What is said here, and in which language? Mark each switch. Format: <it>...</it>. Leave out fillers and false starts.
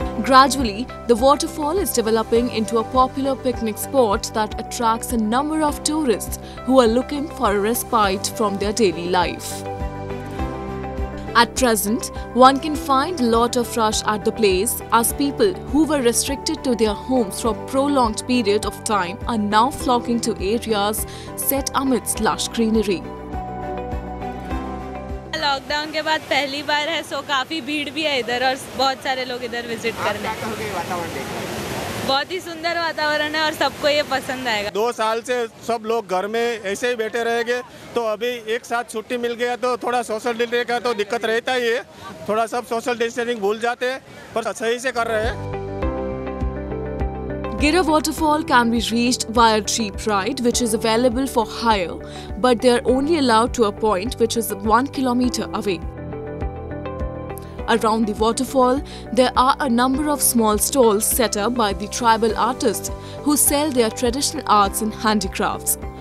<en>Gradually, the waterfall is developing into a popular picnic spot that attracts a number of tourists who are looking for a respite from their daily life. At present, one can find a lot of rush at the place as people who were restricted to their homes for a prolonged period of time are now flocking to areas set amidst lush greenery.</en> <hi>Lockdown के बाद पहली बार है सो काफी भीड़ भी है इधर और बहुत सारे लोग इधर विजिट करने बहुत ही सुंदर वातावरण है और सबको ये पसंद आएगा। दो साल से सब लोग घर में ऐसे ही बैठे रहेंगे तो अभी एक साथ छुट्टी मिल गया तो थोड़ा सोशल डिस्टेंसिंग का तो दिक्कत रहता ही है, थोड़ा सब सोशल डिस्टेंसिंग भूल जाते हैं पर सही से कर रहे हैं।</hi> <en>Gira waterfall can be reached via jeep ride, which is available for hire, but they are only allowed to a point which is 1 kilometer away. Around the waterfall, there are a number of small stalls set up by the tribal artists who sell their traditional arts and handicrafts.</en>